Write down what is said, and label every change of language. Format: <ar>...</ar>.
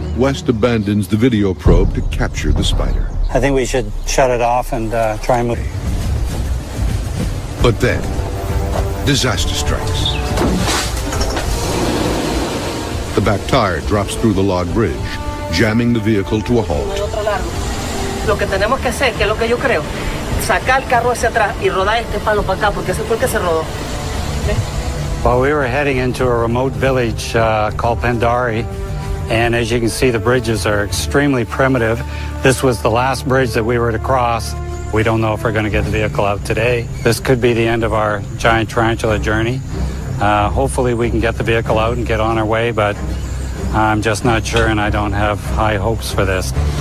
<en>West abandons the video probe to capture the spider. I think we should shut it off and try and move. But then, disaster strikes. The back tire drops through the log bridge, jamming the vehicle to a halt.</en> <es>Lo que tenemos que hacer, que es lo que yo creo, sacar el carro hacia atrás y rodar este palo para acá, porque ese fue el que se rodó.</es> <en>Well, we were heading into a remote village called Pendari, and as you can see, the bridges are extremely primitive. This was the last bridge that we were to cross. We don't know if we're going to get the vehicle out today. This could be the end of our giant tarantula journey. Hopefully we can get the vehicle out and get on our way, but I'm just not sure, and I don't have high hopes for this.</en>